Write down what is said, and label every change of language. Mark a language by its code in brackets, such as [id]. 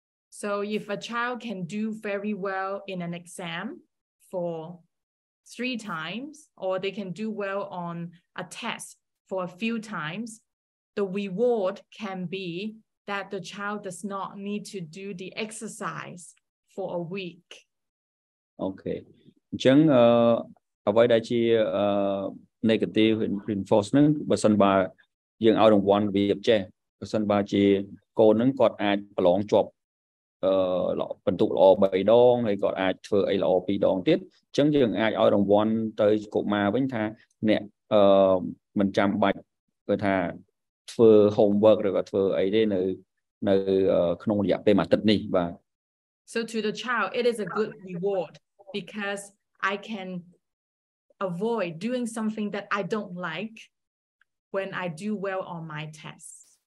[en] So if a child can do very well in an exam for 3 times or they can do well on a test for a few times the reward can be that the child does not need to do the exercise for a week [km] โอเคអញ្ចឹងអ្វីដែលជា [en] negative reinforce [km] នឹងបើសិនបើយើងឲ្យរង្វាន់របៀបចេះបើសិនបើជាកូននឹងគាត់អាចប្រឡងជាប់បន្ទុកល្អ3ដងហើយគាត់អាចធ្វើអីល្អ2ដងទៀតអញ្ចឹងយើងអាចឲ្យរង្វាន់ទៅកុមារវិញថាអ្នកមិនចាំបាច់គាត់ថាធ្វើ homework ឬក៏ធ្វើអីទេនៅក្នុងរយៈពេលមួយអាទិត្យនេះបាទ [en] So to the child, it is a good reward because I can avoid doing something that I don't like when I do well on my tests.